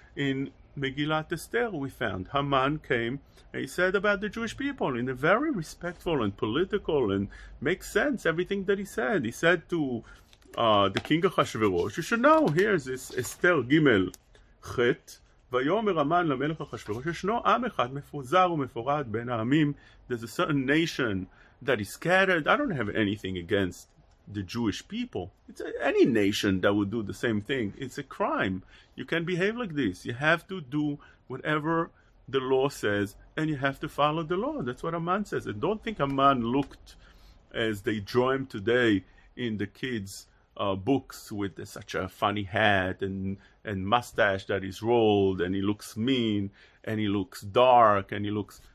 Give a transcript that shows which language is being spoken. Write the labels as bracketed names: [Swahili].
[English] In Megillat Esther, we found Haman came and he said about the Jewish people in a very respectful and political and makes sense, everything that he said. He said to the king of Ahasuerus, you should know, here's this Esther Gimel Chet. [Hebrew] ויאמר המן למלך אחשוורוש, ישנו עם אחד מפוזר ומפורד בין העמים. [English] There's a certain nation that is scattered. I don't have anything against the Jewish people. It's any nation that would do the same thing. It's a crime. You can't behave like this. You have to do whatever the law says, and you have to follow the law. That's what Haman says. And don't think Haman looked as they draw him today in the kids' books with such a funny hat and mustache that is rolled, and he looks mean, and he looks dark, and he looks...